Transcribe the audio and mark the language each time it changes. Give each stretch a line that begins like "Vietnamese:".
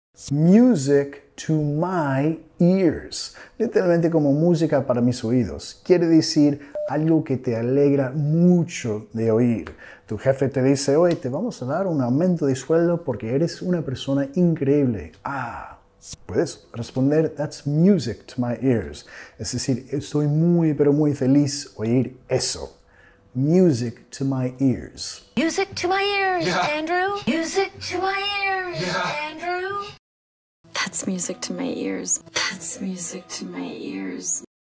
English: Music to my ears.
Spanish: Literalmente como música para mis oídos. Quiere decir algo que te alegra mucho de oír. Tu jefe te dice, oye, te vamos a dar un aumento de sueldo porque eres una persona increíble. Ah, puedes responder,
English: that's music to my ears.
Spanish: Es decir, estoy muy, pero muy feliz oír eso.
English: Music to my ears. Music to my ears, yeah. Andrew. Music to my ears, yeah. Andrew. That's music to my ears. That's music to my ears.